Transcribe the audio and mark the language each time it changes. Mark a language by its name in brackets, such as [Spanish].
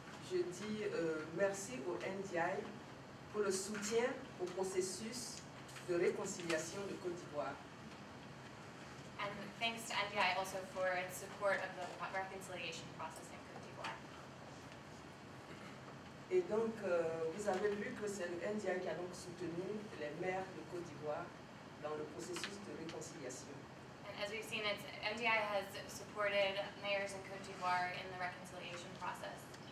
[French] Je dis merci au NDI pour le soutien au processus de réconciliation de Côte d'Ivoire. [English] And thanks to NDI also for its support of the reconciliation process in Côte d'Ivoire. [French] Et donc, vous avez vu que c'est le NDI qui a donc soutenu les maires de Côte d'Ivoire dans le processus de réconciliation. [English] And as we've seen, NDI has supported mayors in Côte d'Ivoire in the reconciliation process.